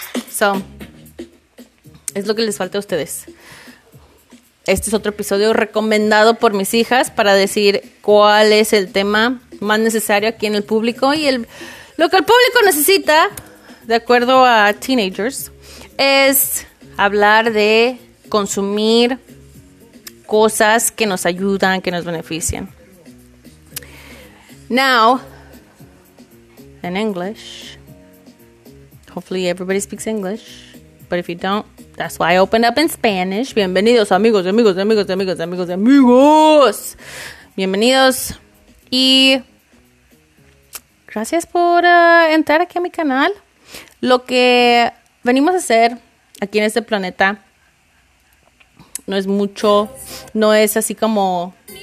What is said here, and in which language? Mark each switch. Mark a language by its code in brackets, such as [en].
[es] So, es lo que les falta a ustedes. Este es otro episodio recomendado por mis hijas para decir cuál es el tema más necesario aquí en el público. Y lo que el público necesita, de acuerdo a teenagers, es hablar de consumir cosas que nos ayudan, que nos benefician. [en] Now, in English, hopefully everybody speaks English, but if you don't, that's why I opened up in Spanish. [es] Bienvenidos, amigos, amigos, amigos, amigos, amigos, amigos. Bienvenidos y gracias por entrar aquí a mi canal. Lo que venimos a hacer aquí en este planeta no es mucho, no es así como